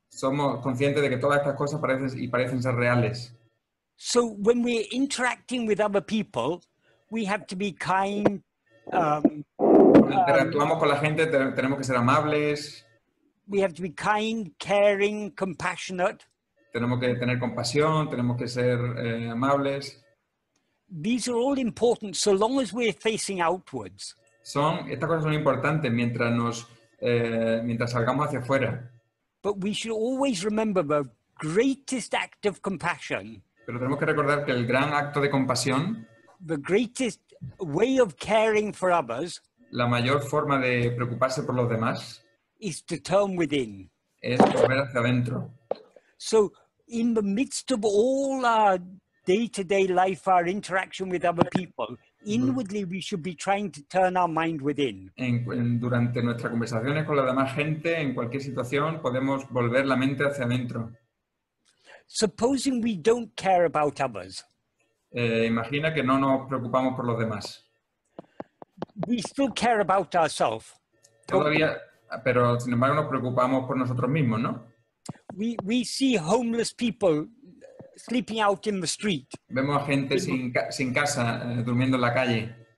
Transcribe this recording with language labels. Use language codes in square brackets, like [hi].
[es] Somos conscientes de que todas estas cosas parecen ser reales. [en] So when we're interacting with other people, we have to be kind. [es] Interactuamos con la gente, tenemos que ser amables. [en] We have to be kind, caring, compassionate. [es] Tenemos que tener compasión, tenemos que ser amables. [en] These are all important so long as we're facing outwards. [es] Estas cosas son importantes mientras salgamos hacia afuera. [en] But we should always remember the greatest act of compassion. [es] Pero tenemos que recordar que el gran acto de compasión, [en] the greatest way of caring for others, [es] la mayor forma de preocuparse por los demás, [en] is to turn within. [es] Es volver hacia adentro. [en] So, in the midst of all our day-to-day life, our interaction with other people, inwardly we should be trying to turn our mind within. [es] Durante nuestras conversaciones con la demás gente, en cualquier situación, podemos volver la mente hacia adentro. [en] Supposing we don't care about others. [es] Imagina que no nos preocupamos por los demás. [en] We still care about ourselves. [es] Todavía, pero sin embargo nos preocupamos por nosotros mismos, ¿no? [en] We see homeless people sleeping out in the street. [es] Vemos a gente sin casa, durmiendo en la calle.